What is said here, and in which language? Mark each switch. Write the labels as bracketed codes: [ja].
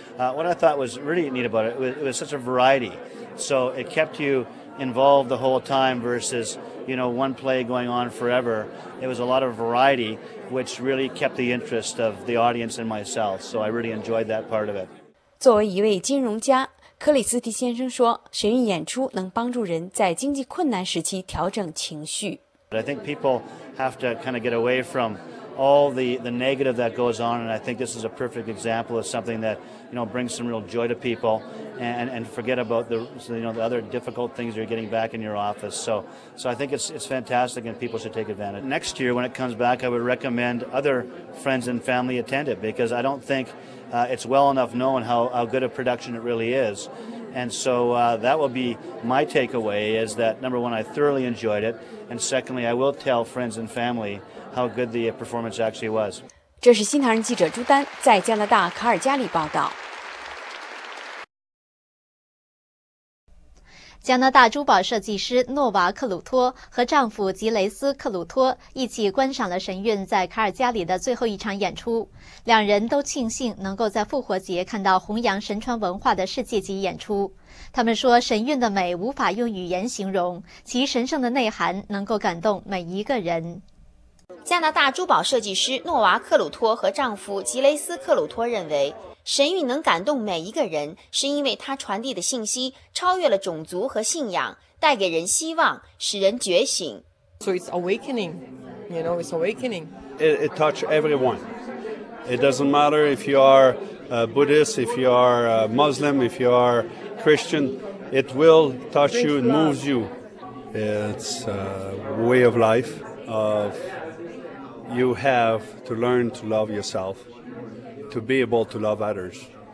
[en] What I thought was really neat about it was such a variety. So it kept you involved the whole time versus, you know, one play going on forever. It was a lot of variety, which really kept the interest of the audience and myself. So I really enjoyed that part of it. [zh] 作为一位金融家克里斯提先生说，神韵演出能帮助人在经济困难时期调整情绪。 [en] I think people have to kind of get away from all the negative that goes on, and I think this is a perfect example of something that you know brings some real joy to people, and forget about the you know the other difficult things you're getting back in your office. So I think it's fantastic, and people should take advantage. Next year when it comes back, I would recommend other friends and family attend it because I don't think. It's well enough known how good a production it really is. And so that will be my takeaway is that, number one, I thoroughly enjoyed it. And secondly, I will tell friends and family how good the performance actually was. [zh] 这是新唐人记者朱丹在加拿大卡尔加里报道。加拿大珠宝设计师诺瓦克鲁托和丈夫吉雷斯克鲁托一起观赏了神韵在卡尔加里的最后一场演出，两人都庆幸能够在复活节看到弘扬神传文化的世界级演出。他们说，神韵的美无法用语言形容，其神圣的内涵能够感动每一个人。加拿大珠宝设计师诺瓦克鲁托和丈夫吉雷斯克鲁托认为，神韵能感动每一个人，是因为它传递的信息超越了种族和信仰，带给人希望，使人觉醒。 [en] So it's awakening, you know, it's awakening. It touches everyone. It doesn't matter if you are Buddhist, if you are Muslim, if you are Christian, it will touch you and moves you. It's a way of life. of you have to learn to love yourself, to be able to love others.